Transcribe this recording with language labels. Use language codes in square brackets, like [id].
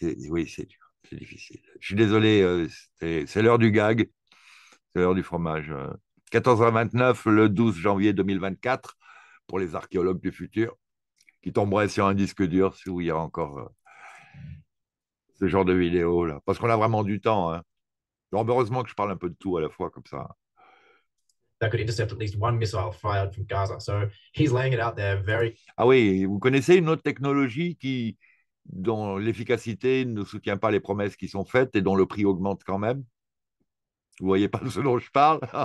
[fr] Oui, c'est dur. C'est difficile. Je suis désolé. C'est l'heure du gag. C'est l'heure du fromage. 14h29, le 12 janvier 2024, pour les archéologues du futur, qui tomberaient sur un disque dur, si où il y a encore ce genre de vidéo-là. Parce qu'on a vraiment du temps, hein. Donc, heureusement que je parle un peu de tout à la fois, comme ça. [en] That could intercept at least one missile fired from Gaza. So he's laying it out there very. [fr] Ah oui, vous connaissez une autre technologie dont l'efficacité ne soutient pas les promesses qui sont faites et dont le prix augmente quand même? Vous voyez pas ce dont je parle?